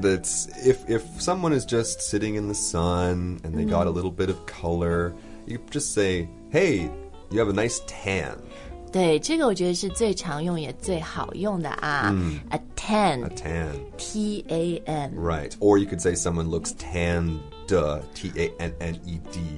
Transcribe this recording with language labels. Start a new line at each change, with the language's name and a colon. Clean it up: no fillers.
English: That's, if someone is just sitting in the sun and they got a little bit of color, you just say, hey, you have a nice tan.
Chinese: 对，这个我觉得是最常用也最好用的啊。
English: A tan. A tan. T-A-N. Right. Or you could say someone looks tanned, T-A-N-N-E-D.